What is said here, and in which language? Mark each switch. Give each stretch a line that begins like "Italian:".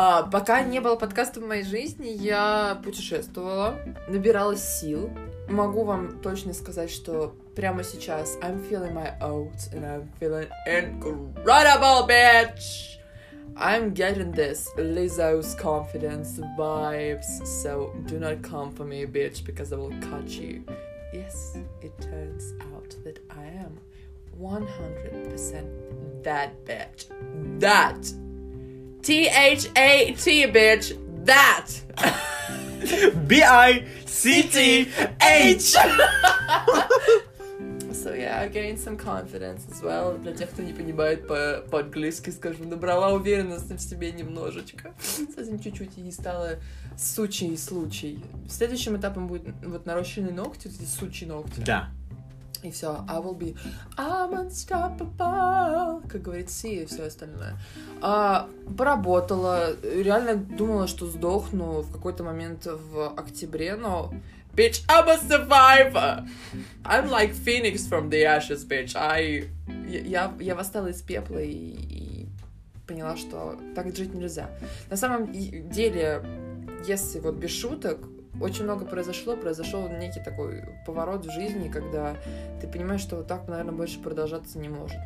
Russian: Пока не было подкаста в моей жизни, я путешествовала, набирала сил. Могу вам точно сказать, что прямо сейчас
English: I'm feeling my oats and I'm feeling incredible, bitch! I'm getting this Lizzo's confidence vibes, so do not come for me, bitch, because I will cut you. Yes, it turns out that I am 100% that bitch. That! THAT, bitch! That! BICTH! So yeah, I gained some confidence as well.
Russian: Для тех, кто не понимает по-английски, скажем, набрала уверенности в себе немножечко. Совсем чуть-чуть, и не стала сучий случай. Следующим этапом будет вот нарощенные ногти, вот эти сучьи ногти. Да. И все,
English: I will be I'm unstoppable,
Russian: как говорит Си, и все остальное. Поработала, реально думала, что сдохну в какой-то момент в октябре, но...
English: Bitch, I'm a survivor! I'm like Phoenix from the ashes, bitch.
Russian: Я восстала из пепла и поняла, что так жить нельзя. На самом деле, если вот без шуток, очень много произошло. Произошел некий такой поворот в жизни, когда ты понимаешь, что вот так, наверное, больше продолжаться не может.